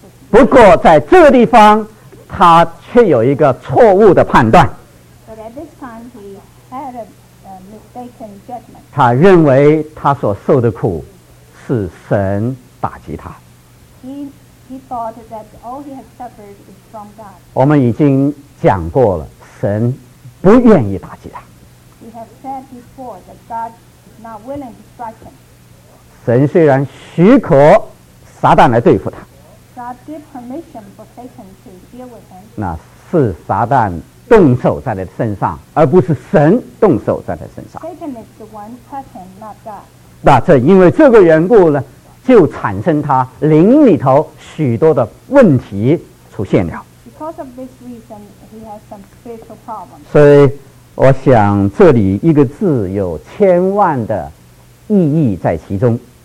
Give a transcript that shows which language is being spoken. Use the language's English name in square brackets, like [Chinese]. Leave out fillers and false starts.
[Chinese] 不过在这个地方他却有一个错误的判断。 [English] But at this time he had a mistaken judgment. [Chinese] 他认为他所受的苦是神打击他。 [English] He thought that all he had suffered is from God. [Chinese] 我们已经讲过了，神不愿意打击他。 [English] We have said before that God is not willing to strike him. [Chinese] 神虽然许可撒旦来对付他。 [English] God gave permission for Satan to deal with him. [Chinese] 那是撒旦动手在他身上，而不是神动手在他身上。 [English] Satan is the one touching, not God. [Chinese] 那这因为这个缘故呢，就产生他灵里头许多的问题出现了。 [English] Because of this reason, he has some spiritual problems. [Chinese] 所以，我想这里一个字有千万的意义在其中。